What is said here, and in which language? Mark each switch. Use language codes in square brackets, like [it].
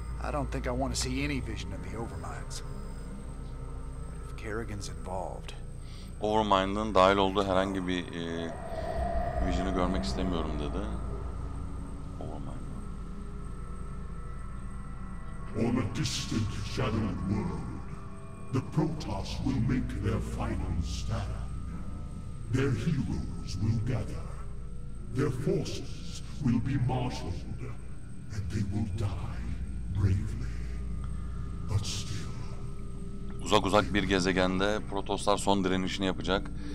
[en] I don't think I want to see any vision of the Overmind. If Kerrigan's involved. [tr] Overmind'ın dahil olduğu herhangi bir vision'ı görmek istemiyorum dedi. [en] Overmind. On a distant shadowed world, the Protoss will make their final stand. Their heroes will gather. Their forces will be marshaled, and they will die bravely. But still. [tr] Uzak uzak bir gezegende Protosslar son direnişini yapacak.